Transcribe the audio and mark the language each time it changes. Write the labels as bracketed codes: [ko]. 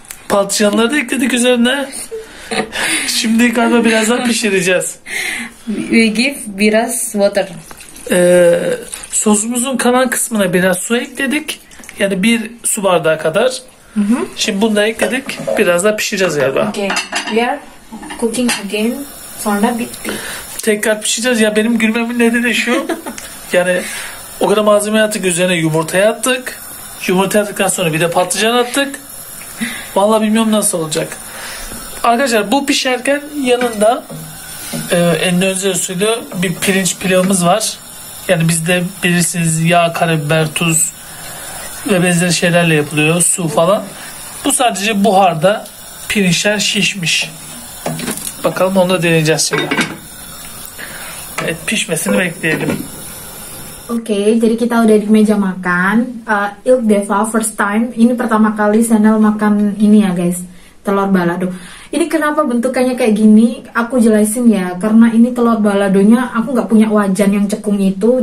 [tr] Patlıcanları da ekledik üzerine. Şimdi galiba birazdan pişireceğiz. [en] We give biraz water. [tr] Sosumuzun kanan kısmına biraz su ekledik. Yani bir su bardağı kadar. Mm-hmm. Şimdi bunu da ekledik. Biraz da pişireceğiz galiba. [en] Okay. We are cooking again. [tr] Sonra bitti. Tekrar pişireceğiz. Ya benim gülmemin nedeni şu. Yani o kadar malzeme attık, üzerine yumurtayı attık. Yumurtayı attıktan sonra bir de patlıcan attık. Vallahi bilmiyorum nasıl olacak. Arkadaşlar bu pişerken yanında endonezya usulü bir pirinç pilavımız var. Yani bizde bilirsiniz yağ, karabiber, tuz ve benzeri şeylerle yapılıyor. Su falan. Bu sadece buharda pirinçler şişmiş. Bakalım onu da deneyeceğiz şimdi. Evet, pişmesini bekleyelim. [id] Okay, jadi kita udah di meja makan. Ilk Deva, [en] first time. [id] Ini pertama kali Chanel makan ini ya guys. Telur balado. Ini kenapa bentukannya kayak gini? Aku jelasin ya. Karena ini telur baladonya, aku gak punya wajan yang cekung itu.